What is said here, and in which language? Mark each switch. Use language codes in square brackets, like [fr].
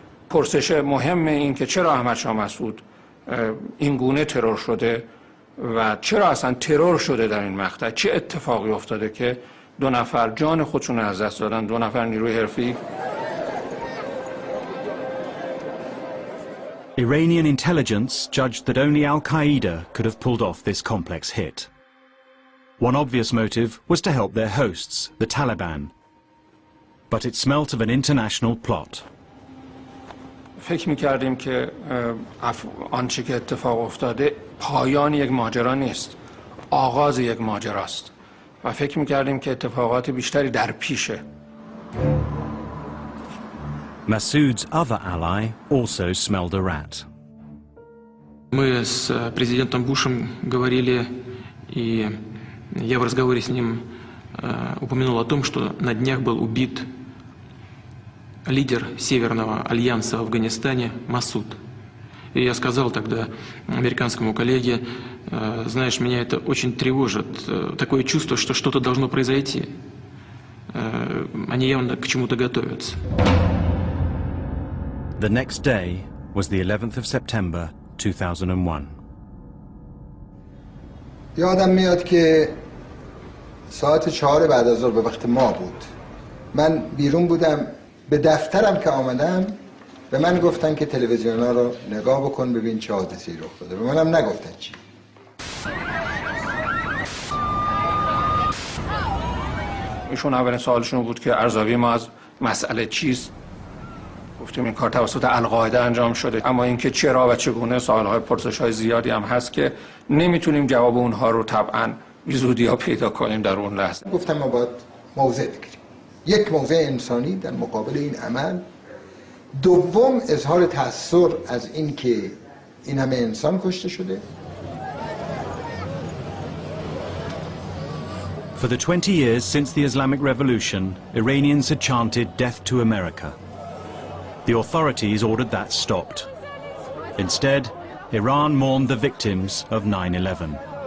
[fa] پرسش مهم این که چرا احمد شاه مسعود این گونه ترور شده و چرا اصلا ترور شده در این مقطع؟ چه اتفاقی افتاده که دو نفر جان خودشون از دست دادن، دو نفر نیروی حرفه‌ای. [en] Iranian intelligence judged that only Al-Qaeda could have pulled off this complex hit. One obvious motive was to help their hosts, the Taliban. But it smelt of an international plot. [fa] فکر می‌کردیم که آنچه که اتفاق افتاده پایان یک ماجرا نیست، آغاز یک ماجرا است. و فکر می‌کردیم که اتفاقات بیشتری در پیشه. [en] Massoud's other ally also smelled a rat. [ru] Мы с президентом Бушем говорили, и я в разговоре с ним упомянул о том, что на днях был убит лидер Северного альянса в Афганистане Масуд. И я сказал тогда американскому коллеге: знаешь, меня это очень тревожит. Такое чувство, что что-то должно произойти. Они явно к чему-то готовятся. [en] The next day was the 11th of September 2001. [fa] یادم میاد که ساعت 4 بعد از ظهر به وقت ما بود. من بیرون بودم به دفترم که آمدم به من گفتن که تلویزیونا رو نگاه بکن ببین چه حادثه‌ای رخ داده. به منم نگفتن چی. ایشون اولین سوالشون بود که ارزاوی ما از مسئله چیست؟ گفتیم این کار توسط القاعده انجام شده، اما اینکه چرا و چگونه سوالهای پرسش‌های زیادی هم هست که نمیتونیم جواب اونها رو طبعاً بی‌زودی‌ها پیدا کنیم در اون لحظه. گفتم ما باید موضع بگیریم، یک موضع انسانی در مقابل این عمل، دوم اظهار تأثیر از اینکه این همه انسان کشته شده. [en] For the 20 years since the Islamic Revolution, Iranians had chanted death to America. The authorities ordered that stopped. Instead, Iran mourned the victims of 9/11.